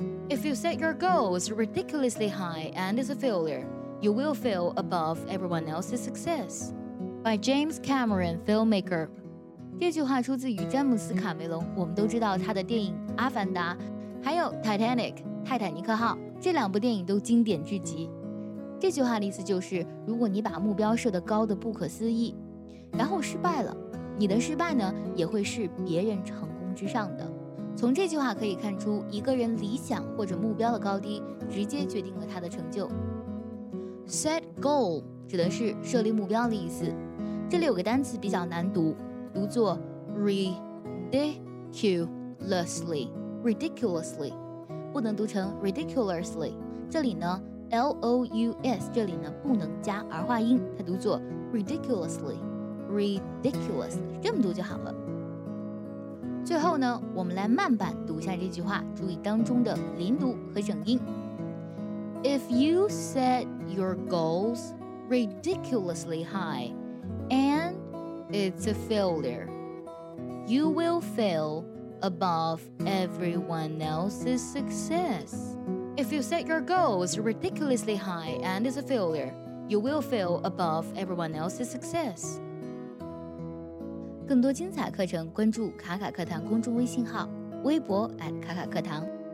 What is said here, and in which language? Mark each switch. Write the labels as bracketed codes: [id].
[en] If you set your goals ridiculously high and is a failure, you will fail above everyone else's success. By James Cameron, filmmaker. [zh] 这句话出自于詹姆斯·卡梅隆，我们都知道他的电影《阿凡达》，还有《Titanic》《泰坦尼克号》，这两部电影都经典至极。这句话的意思就是，如果你把目标设得高得不可思议，然后失败了，你的失败呢，也会是别人成功之上的。从这句话可以看出，一个人理想或者目标的高低，直接决定了他的成就。 [en] Set goal [zh] 指的是设立目标的意思。这里有个单词比较难读，读作 ridiculously， ridiculously， 不能读成 ridiculously。这里呢 ，l o u s， 这里呢不能加儿化音，它读作 ridiculously， ridiculously， 这么读就好了。最后呢，我们来慢板读一下这句话，注意当中的连读和整音。 [en] If you set your goals ridiculously high and it's a failure, you will fail above everyone else's success. If you set your goals ridiculously high and it's a failure, you will fail above everyone else's success. [zh] 更多精彩课程，关注卡卡课堂公众微信号，微博@卡卡课堂。